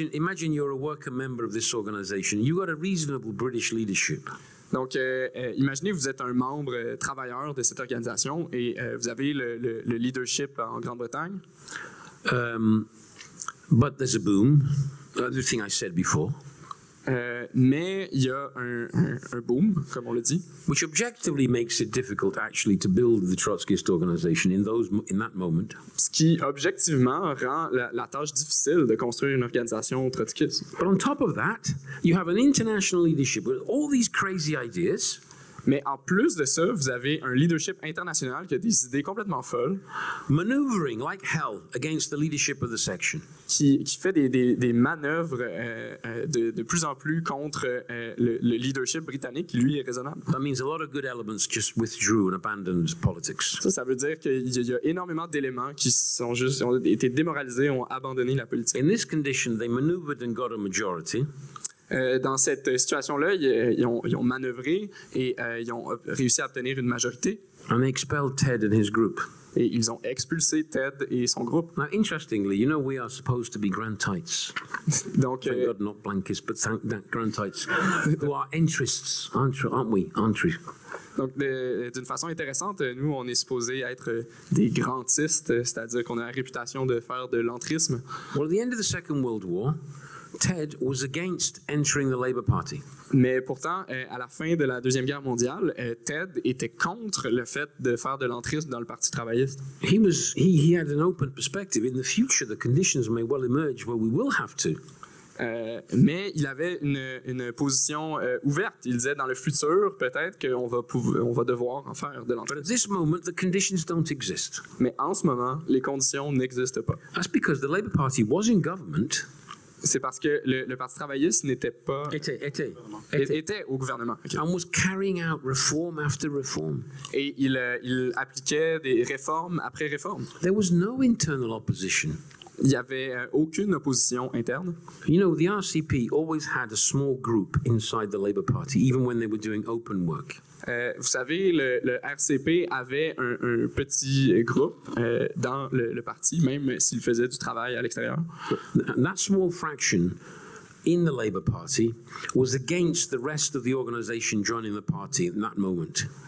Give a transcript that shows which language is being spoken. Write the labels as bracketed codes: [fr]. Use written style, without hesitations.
[en] Imagine you're a worker member of this organization. You got a reasonable British leadership. [fr] Donc, imaginez, vous êtes un membre travailleur de cette organisation et vous avez le leadership en Grande-Bretagne. [en] But there's a boom. The thing I said before. [fr] Mais il y a un boom, comme on le dit. [en] Which objectively makes it difficult, actually, to build the Trotskyist organization in that moment. [fr] Ce qui, objectivement, rend la tâche difficile de construire une organisation trotskyiste. [en] But on top of that, you have an international leadership with all these crazy ideas. [fr] Mais en plus de ça, vous avez un leadership international qui a des idées complètement folles. [en] Maneuvering like hell against the leadership of the section. [fr] Qui fait des manœuvres de plus en plus contre le leadership britannique, qui lui est raisonnable. [en] That means a lot of good elements just withdrew and abandoned politics. [fr] Ça veut dire qu'il y a énormément d'éléments qui sont juste ont été démoralisés, ont abandonné la politique. [en] In this condition, they maneuvered and got a majority. [fr] Dans cette situation-là, ils ont manœuvré et ils ont réussi à obtenir une majorité. [en] And they expelled Ted and his group. [fr] Et ils ont expulsé Ted et son groupe. [en] Now, interestingly, you know, we are supposed to be Grantites. [fr] Donc, [en] thank God, not blankets, but thank that Grantites, who are interests, aren't we? Aren't we? [fr] Donc, d'une façon intéressante, nous, on est supposé être des grantistes, c'est-à-dire qu'on a la réputation de faire de l'entrisme. [en] Well, at the end of the Second World War, Ted was against entering the Labour Party. [fr] Mais pourtant, à la fin de la Deuxième Guerre mondiale, Ted était contre le fait de faire de l'entrisme dans le Parti travailliste. [en] He had an open perspective. In the future, the conditions may well emerge where we will have to. [fr] Mais il avait une position ouverte. Il disait, dans le futur, peut-être qu'on va, on va devoir en faire de l'entrisme. [en] But at this moment, the conditions don't exist. [fr] Mais en ce moment, les conditions n'existent pas. [en] That's because the Labour Party was in government. [fr] C'est parce que le Parti travailliste n'était pas... Était au gouvernement. [en] Okay. And was carrying out reform after reform. [fr] Et il appliquait des réformes après réformes. [en] There was no internal opposition. [fr] Il n'y avait aucune opposition interne. [en] You know, the RCP always had a small group inside the Labour Party, even when they were doing open work. [fr] Vous savez, le RCP avait un petit groupe dans le parti, même s'il faisait du travail à l'extérieur. [en] That small fraction in the Labour Party was against the rest of the organization joining the party at that moment.